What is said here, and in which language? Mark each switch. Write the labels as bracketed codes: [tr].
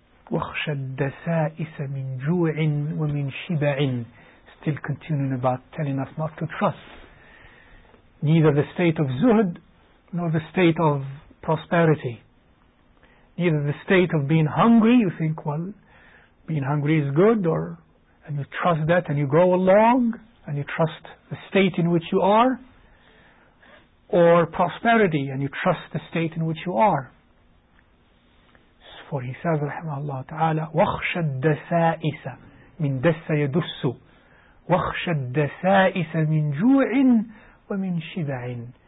[ar] وخشى الدسائس من جوع ومن شبع. [en] Still continuing about telling us not to trust neither the state of zuhd nor the state of prosperity. Neither the state of being hungry, you think, well, being hungry is good, or and you trust that and you go along and you trust the state in which you are, or prosperity and you trust the state in which you are. For he says, [ar] rahimahullah ta'ala, وَخْشَ الدَّسَائِسَ مِنْ دَسَّ يَدُسُّ وَخْشَ الدَّسَائِسَ مِنْ جُوعٍ وَمِنْ شِبَعٍ.